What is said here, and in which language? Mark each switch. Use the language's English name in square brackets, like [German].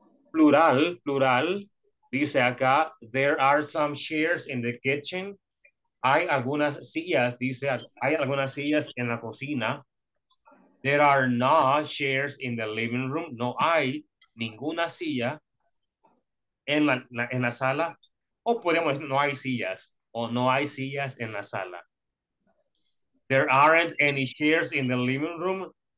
[English] Plural, [Spanish] dice acá, [English] there are some chairs in the kitchen. [Spanish] Hay algunas sillas, dice, hay algunas sillas en la cocina. [English] There are no chairs in the living room. [Spanish] No hay ninguna silla en la sala. O podemos decir, no hay sillas. O no hay sillas en la sala. [English] There aren't any chairs in the living room.